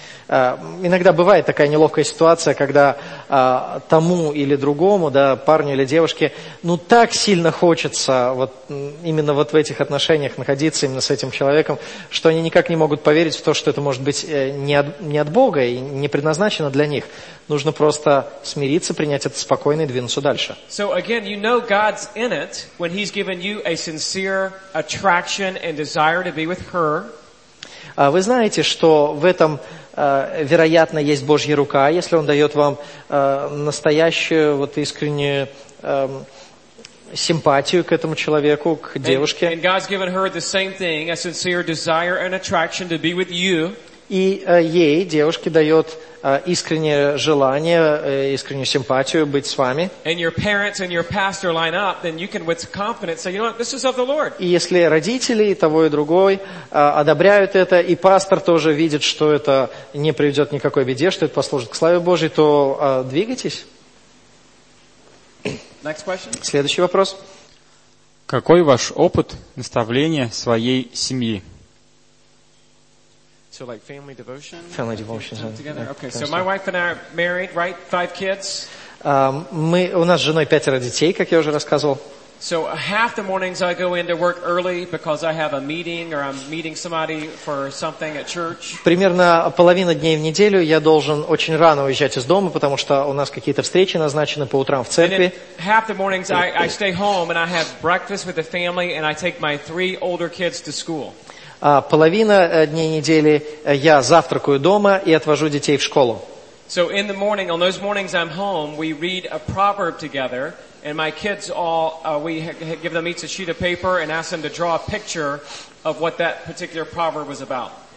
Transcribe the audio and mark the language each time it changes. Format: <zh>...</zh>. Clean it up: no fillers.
<ru>иногда бывает такая неловкая ситуация, когда тому или другому, да, парню или девушке, ну, так сильно хочется вот именно вот в этих отношениях находиться именно с этим человеком, что они никак не могут поверить в то, что это может быть не от Бога и не предназначено для них. Нужно просто смириться, принять это спокойно и двинуться дальше.</ru> <en>So again, you know God's in it when He's given you a sincere attraction and desire to be with her.</en> <ru>Вы знаете, что в этом, вероятно, есть Божья рука, если Он дает вам настоящую, вот искреннюю симпатию к этому человеку, к девушке.</ru> <en>And God's given her the same thing, a sincere desire and attraction to be with you.</en> <ru>И ей, девушке, дает искреннее желание, искреннюю симпатию быть с вами.</ru> <en>And your parents and your pastor line up, then you can with confidence say, you know what, this is of the Lord.</en> <ru>И если родители того и другой одобряют это, и пастор тоже видит, что это не приведет к никакой беде, что это послужит к славе Божьей, то двигайтесь.</ru> <en>Next question.</en> <ru>Следующий вопрос. Какой ваш опыт наставления своей семьи?</ru> <en>So like family devotion. Family devotion. Together. Okay. So my wife and I are married, right? 5 kids.</en> <ru>У нас с женой пятеро детей, как я уже рассказывал.</ru> <en>So half the mornings I go into work early because I have a meeting or I'm meeting somebody for something at church.</en> <ru>Примерно половина дней в неделю я должен очень рано уезжать из дома, потому что у нас какие-то встречи назначены по утрам в церкви.</ru> <en>Half the mornings I stay home and I have breakfast with the family and I take my 3 older kids to school.</en> <ru>Половина дней недели я завтракаю дома и отвожу детей в школу.</ru> <en>So in the morning, on those mornings I'm home, we read a proverb together, and my kids all, we give them each a sheet of paper and ask them to draw a picture of what that particular proverb was about.</en>